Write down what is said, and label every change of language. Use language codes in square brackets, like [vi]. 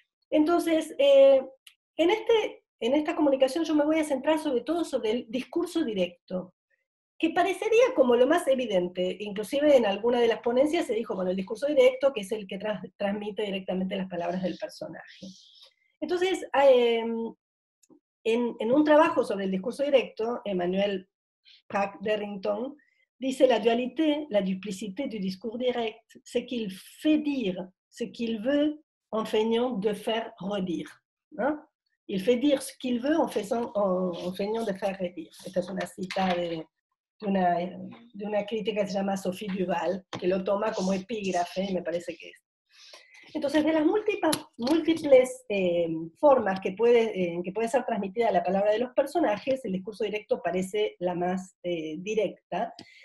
[es] Entonces, en esta comunicación yo me voy a centrar sobre todo sobre el discurso directo, que parecería como lo más evidente, inclusive en alguna de las ponencias se dijo, bueno, el discurso directo, que es el que transmite directamente las palabras del personaje. Entonces, en un trabajo sobre el discurso directo, Emmanuel Pack Derrington dice [fr] la dualité, la duplicité du discours direct, c'est qu'il fait dire ce qu'il veut en feignant de faire redire. [es] ¿No? [fr] Il fait dire ce qu'il veut en feignant de faire redire. [es] Esta es una cita de una crítica que se llama Sophie Duval, que lo toma como epígrafe, y me parece que es. Entonces, de las múltiples formas en que puede ser transmitida la palabra de los personajes, el discurso directo parece la más directa.